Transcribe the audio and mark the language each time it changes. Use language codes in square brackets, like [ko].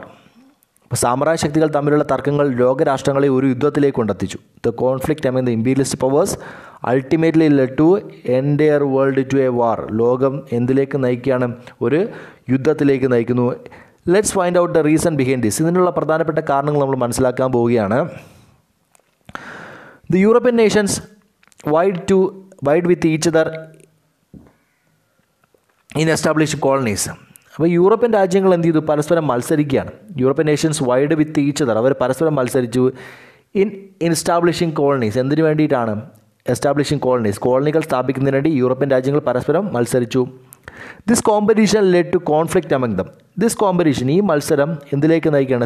[ml] അപ്പോൾ സാമ്രാജ്യശക്തികൾ തമ്മിലുള്ള തർക്കങ്ങൾ ലോകരാഷ്ട്രങ്ങളെ ഒരു യുദ്ധത്തിലേക്ക് കൊണ്ടെത്തിച്ചു. [en] The conflict among the imperialist powers ultimately led to entire world to a war. [ml] ലോകം എന്തിലേക്ക് നയിക്കുകയാണ്? ഒരു യുദ്ധത്തിലേക്ക് നയിക്കുന്നു. [en] Let's find out the reason behind this. [ml] ഇതിനുള്ള പ്രധാനപ്പെട്ട കാരണങ്ങൾ നമ്മൾ മനസ്സിലാക്കാൻ പോവുകയാണ്. [en] The European nations vied with each other in establishing colonies. [ml] അപ്പോൾ യൂറോപ്യൻ രാജ്യങ്ങൾ എന്ത് ചെയ്തു? പരസ്പരം മത്സരിക്കുകയാണ്. [en] European nations vied with each other, [ml] അവർ പരസ്പരം മത്സരിച്ചു [en] In establishing colonies. [ml] എന്തിനു വേണ്ടിയിട്ടാണ് എസ്റ്റാബ്ലിഷിംഗ് കോളനീസ്? കോളനികൾ സ്ഥാപിക്കുന്നതിന് വേണ്ടി യൂറോപ്യൻ രാജ്യങ്ങൾ പരസ്പരം മത്സരിച്ചു. [en] This competition led to conflict among them. This competition, [ml] ഈ മത്സരം എന്തിലേക്ക് നയിക്കുകയാണ്?